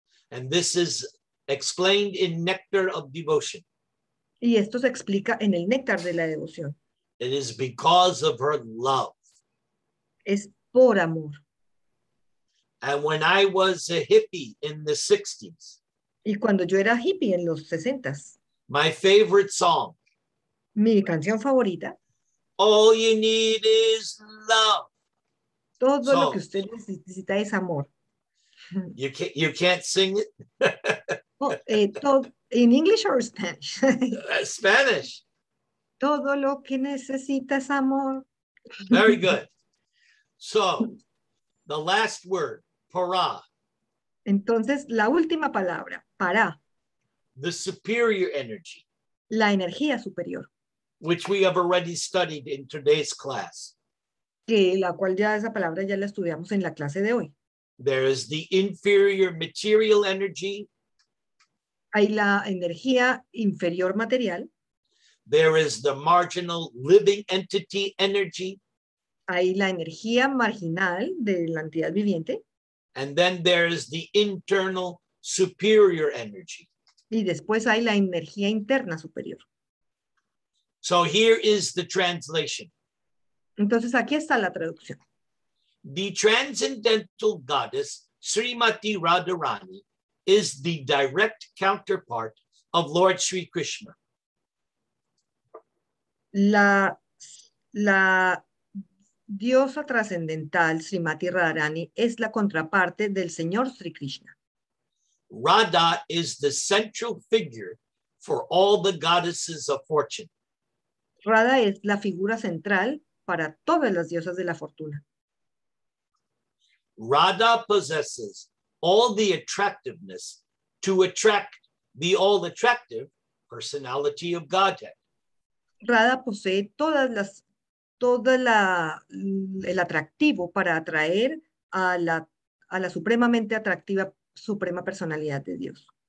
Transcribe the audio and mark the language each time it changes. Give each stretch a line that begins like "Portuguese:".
English: And this is explained in Nectar of Devotion.
Spanish: Y esto se explica en el néctar de la devoción.
English: It is because of her love.
Spanish: Es por amor.
English: And when I was a hippie in the 60s,
Spanish: y cuando yo era hippie en los 60s,
English: my favorite song,
Spanish: mi canción favorita,
English: all you need is love.
Spanish: Todo lo que usted necesita es amor.
English: You can't sing it. In English or Spanish? Spanish.
Spanish: Todo lo que necesita es amor.
English: Very good. So, the last word, para.
Spanish: Entonces, la última palabra, para.
English: The superior energy.
Spanish: La energía superior.
English: Which we have already studied in today's class.
Spanish: Que la cual ya esa palabra ya la estudiamos en la clase de hoy.
English: There is the inferior material energy.
Spanish: Hay la energía inferior material.
English: There is the marginal living entity energy.
Spanish: Hay la energía marginal de la entidad viviente.
English: And then there is the internal superior energy.
Spanish: Y después hay la energía interna superior.
English: So here is the translation.
Spanish: Entonces aquí está la traducción.
English: The transcendental goddess Srimati Radharani is the direct counterpart of Lord Sri Krishna.
Spanish: La diosa trascendental Srimati Radharani es la contraparte del señor Sri Krishna.
English: Radha is the central figure for all the goddesses of fortune.
Spanish: Radha es la figura central para todas las diosas de la fortuna.
English: Radha possesses all the attractiveness to attract the all-attractive personality of Godhead.
Spanish: Radha posee el atractivo para atraer a la supremamente atractiva suprema personalidad de Dios.